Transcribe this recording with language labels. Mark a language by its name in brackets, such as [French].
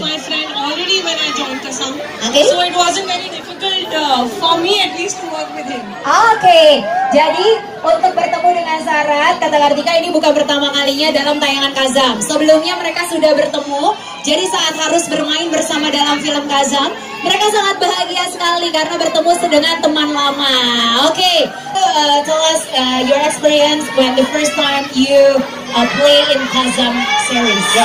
[English] He was my friend already when I joined Kasam. Okay. So it wasn't very difficult for me at least to work with him. Okay. [Indonesian] Jadi untuk bertemu dengan Sarat, kata Kartika, ini bukan pertama kalinya dalam tayangan Kazam. Sebelumnya mereka sudah bertemu, jadi saat harus bermain bersama dalam film Kazam, mereka sangat bahagia sekali karena bertemu dengan teman lama. [English] Oke, tell us your experience when the first time you play in Kazam series.